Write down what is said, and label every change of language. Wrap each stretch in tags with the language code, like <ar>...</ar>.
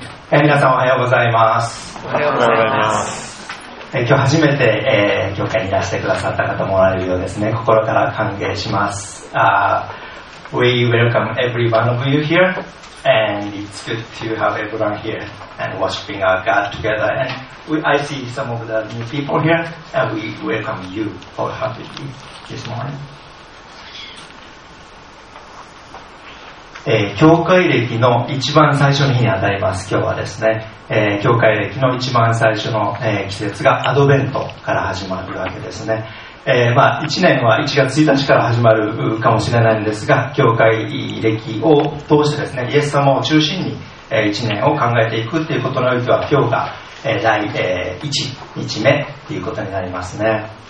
<ja>皆さんおはようございます。おはようございます。今日初めて、業界にいらしてくださった方もおられるようですね。心から歓迎します。</ja> <en>We welcome every one of you here, and it's good to have everyone here and worshiping our God together. And I see some of the new people here, and we welcome you for having me this morning.</en> <ja>教会歴の一番最初の日にあたります。今日はですね、教会歴の一番最初の、季節がアドベントから始まるわけですね。まあ、1年は1月1日から始まるかもしれないんですが、教会歴を通してですね、イエス様を中心に、1年を考えていくということにおいては今日が、第、1日目ということになりますね。</ja>